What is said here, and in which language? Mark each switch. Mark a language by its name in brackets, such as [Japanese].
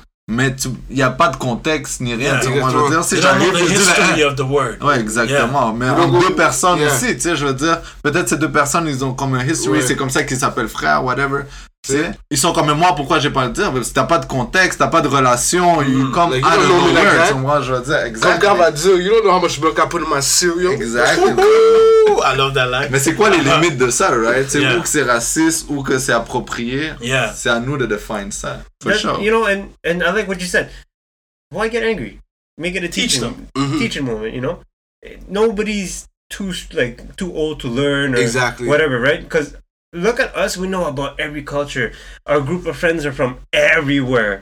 [French] Mais il n'y a pas de contexte ni rien. Yeah, moi, je veux dire, si j'arrive, je dis le [English] N-word. [French] Ouais, exactement. Yeah. Mais en deux personnes aussi, tu sais, je veux dire. Peut-être ces deux personnes, ils ont comme un history, c'est comme ça qu'ils s'appellent frère, whatever. T'sais, ils sont comme moi, pourquoi j'ai pas à le dire? Parce que t'as pas de contexte, t'as pas de relation. Comme, [English] I don't know where, [French] tu vois, je veux dire. [English] Exactly. [French] Comme quand on va dire, [English] you don't know how much milk I put in my cereal. Exactly. I love that line. [French] Mais c'est quoi les limites de ça, right? C'est ou que c'est raciste ou que c'est approprié. [English] Yeah. [French] C'est à nous de define ça. [English] For sure. You know, and I like what you said. Why get angry? Make it a teaching. Teaching moment, you know? Nobody's too old to learn or whatever, right? Because look at us, we know about every culture. Our group of friends are from everywhere.